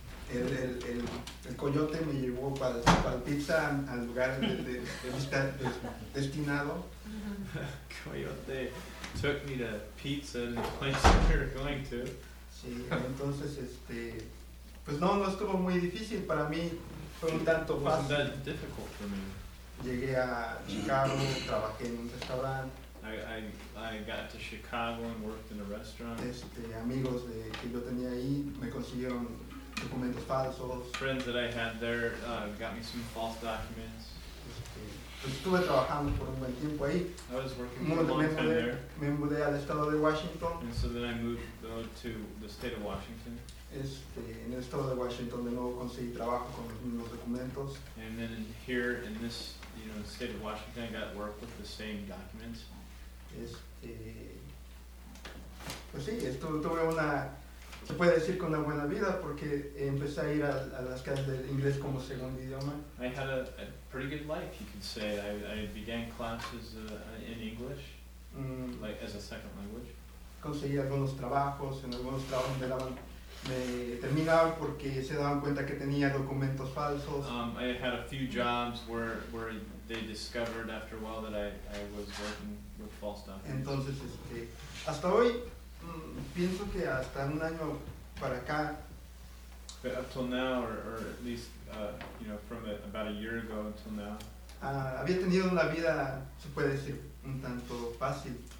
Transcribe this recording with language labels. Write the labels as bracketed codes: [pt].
[es] El coyote me llevó para el pizza al lugar de destinado. [en] Coyote took me to pizza in the place we were going to. [es] Sí, entonces pues no estuvo muy difícil para mí, fue un tanto fácil. [en] It wasn't that difficult for me. [es] Llegué a Chicago, trabajé en un restaurante. [en] I got to Chicago and worked in a restaurant. [es] Amigos de que yo tenía ahí me consiguieron documentos falsos. [en] Friends that I had there got me some false documents. [es] Estuve trabajando por un buen tiempo ahí. [en] I was working for a long time there. [es] Me mudé al estado de Washington. [en] And so then I moved to the state of Washington. [es] En el estado de Washington de nuevo conseguí trabajo con los mismos documentos. [en] And then here in this, state of Washington, I got work with the same documents. [es] Pues sí, tuve una, se puede decir, con una buena vida porque empecé a ir a las clases de inglés como segundo idioma. [en] I had a pretty good life, you could say. I began classes in English, like as a second language. [es] Conseguí algunos trabajos, en algunos trabajos me terminaban porque se daban cuenta que tenía documentos falsos. [en] I had a few jobs where they discovered after a while that I was working with false documents. [es] Entonces, hasta hoy, pienso que hasta un año para acá. [en] But up till now, or at least, from about a year ago until now. [es] Había tenido una vida, se puede decir, un tanto fácil.